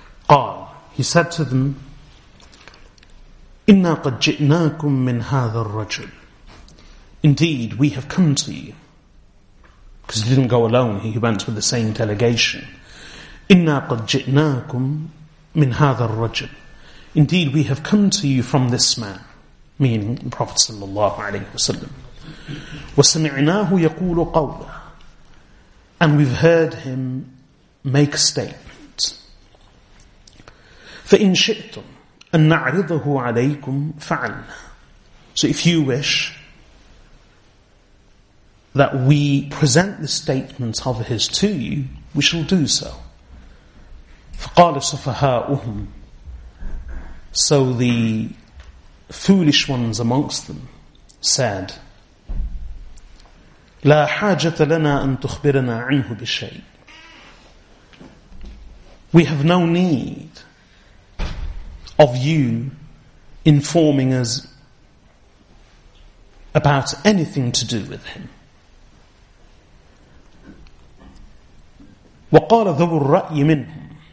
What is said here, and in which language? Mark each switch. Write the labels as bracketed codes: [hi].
[ar] قال, [en] he said to them, [ar] إنا قد جئناكم من هذا الرجل. [en] Indeed, we have come to you. Because he didn't go alone, he went with the same delegation. [ar] إنا قد جئناكم من هذا الرجل. [en] Indeed, we have come to you from this man, meaning the Prophet sallallahu alaihi wasallam. [ar] وَسَمِعْنَاهُ يَقُولُ قَوْلًا. [en] And we've heard him make a statement. [ar] فَإِنْ شِئْتُمْ أَنْ نَعْرِضَهُ عَلَيْكُمْ فَعَلْنَا. [en] So if you wish that we present the statement of his to you, we shall do so. [ar] فَقَالَ سُفَهَاؤُهُمْ. [en] So the foolish ones amongst them said, [ar] لا حاجة لنا أن تخبرنا عنه بشيء. [en] We have no need of you informing us about anything to do with him. [ar] وقال ذو الرأي منهم.